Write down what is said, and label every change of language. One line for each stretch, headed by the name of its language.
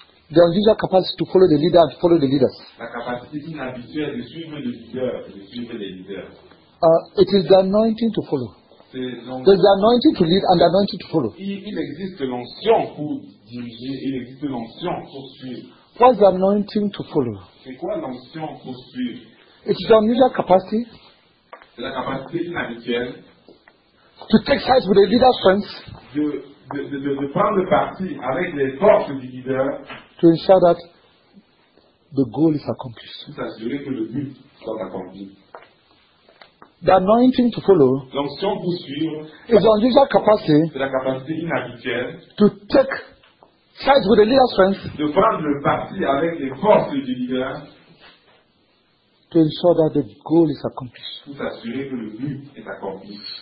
English: the unusual capacity to follow the leader and follow the leaders.
French: La capacité inhabituelle de suivre le leader, de suivre les leaders.
English: It is the anointing to follow. There's the anointing to lead and the anointing to follow.
French: Il existe l'onction pour diriger, il existe l'onction pour suivre.
English: What's the anointing to follow?
French: C'est quoi l'onction pour suivre?
English: It's the unusual capacity.
French: C'est la capacité inhabituelle.
English: To take sides with the leader's friends.
French: De prendre parti avec les forces du leader.
English: To ensure that the goal is accomplished.
French: Pour s'assurer que le but soit accompli.
English: The anointing to follow is the unusual capacity,
French: la capacité inhabituelle,
English: to take sides with the leader's friends,
French: de prendre le parti avec les forces du leader,
English: to ensure that the goal is accomplished.
French: Pour s'assurer que le but est accompli.